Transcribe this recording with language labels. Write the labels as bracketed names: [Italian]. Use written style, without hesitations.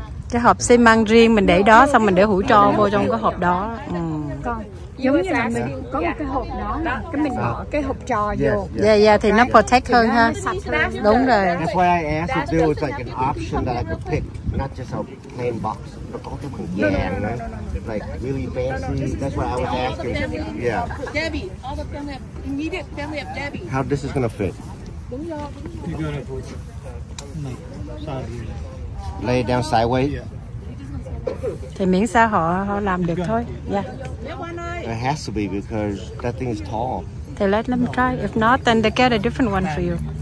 [Vietnamese] Cái hộp xi măng riêng mình để đó xong mình để hũ tro vô trong cái hộp đó. Ừ. Giống như là mình có một cái hộp đó, cái mình bỏ cái hộp trò vô. Dạ, yeah, dạ, yeah, thì nó protect hơn ha. Đúng rồi. [English] That's why I asked if there was like an option that I could pick, not just a plain box, but all the way again, like really fancy. That's what I was asking. Yeah. Debbie, all the family, immediate family of Debbie. How this is gonna fit? Lay down sideways. [Vietnamese] Thì miễn sao họ họ làm được thôi. Dạ. [English] It has to be because that thing is tall. They let them try. If not, then they get a different one for you.